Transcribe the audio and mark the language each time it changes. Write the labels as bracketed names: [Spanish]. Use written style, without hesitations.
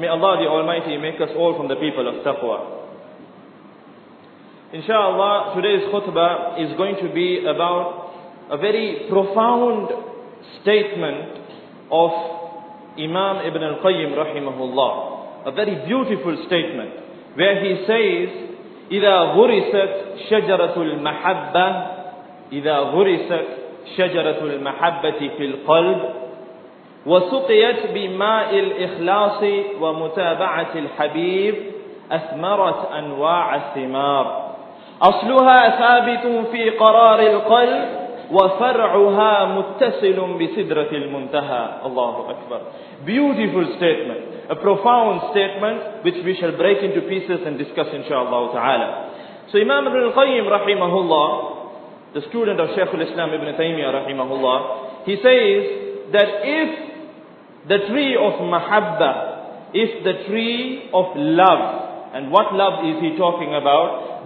[English] May Allah the Almighty make us all from the people of taqwa. Inshallah, today's khutbah is going to be about a very profound statement of Imam Ibn al-Qayyim rahimahullah. A very beautiful statement where he says, [Arabic] إِذَا غُرِسَتْ شَجَرَةُ الْمَحَبَّةِ إِذَا غُرِسَتْ شَجَرَةُ الْمَحَبَّةِ فِي الْقَلْبِ وَسُقِيَتْ بِمَاءِ الْإِخْلَاصِ وَمُتَابَعَةِ الْحَبِيبِ أَثْمَرَتْ أَنْوَاعَ الثِّمَارِ أصلها ثابت في قرار القلب وفرعها متصل بسدرة المنتهى. الله أكبر. [English] Beautiful statement, a profound statement which we shall break into pieces and discuss inshallah ta'ala. So Imam Ibn al-Qayyim rahimahullah, the student of Shaykh al-Islam Ibn Taymiyyah rahimahullah, he says that if the tree of mahabba, if the tree of love, and what love is he talking about?